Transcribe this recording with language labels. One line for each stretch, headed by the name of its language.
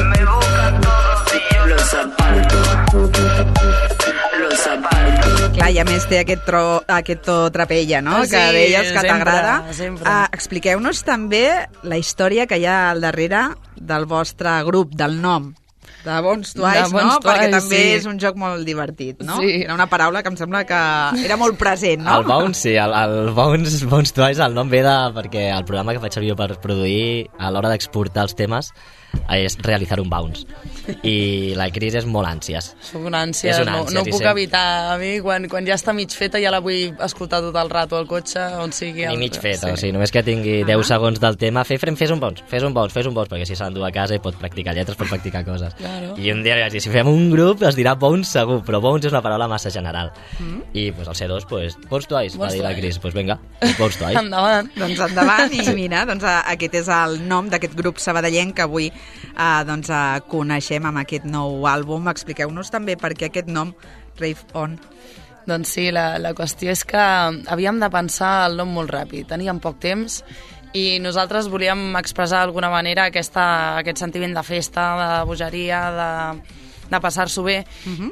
Spanish: Me buscan todos y los aparto. Los aparto.
Catalan: Clar, i a més té aquest to trapella, no? Sí, que deies que t'agrada. Expliqueu-nos també la història que hi ha al darrere del vostre grup, del nom. De Bones Twice, de Bones, no? Twice, perquè també sí. És un joc molt divertit, no? Sí. Era una paraula que em sembla que era molt present, no? El Bones, sí, el Bones Twice, el nom ve de... Perquè el programa que faig servir per produir, a l'hora d'exportar els temes, és realitzar un bounce. I la Cris és molt ànsies. Sóc una ànsia, no ho puc evitar. A mi, quan ja està mig feta, ja la vull escoltar tot el rato al cotxe, on sigui. Ni mig feta, sí. O sigui, només que tingui 10 segons del tema, fes un bounce, perquè si se l'endú a casa i pot practicar lletres, pot practicar coses.
Spanish: Claro.
Catalan: I un dia li vaig dir, si fem un grup, es dirà bounce segur, però bounce és una paraula massa general. I pues, el C2, pues, Bones Twice, va dir la Cris.
Spanish: Pues venga, Bones Twice.
Catalan: Endavant. Doncs endavant, i mira, doncs, aquest és el nom d'aquest grup sabadellenc que avui coneixem amb aquest nou àlbum. Expliqueu-nos també per què aquest nom, Rave On. Doncs sí, la qüestió és que havíem de pensar el nom molt ràpid, teníem poc temps i nosaltres volíem expressar d'alguna manera aquest sentiment de festa, de bogeria, de passar-s'ho bé. Uh-huh.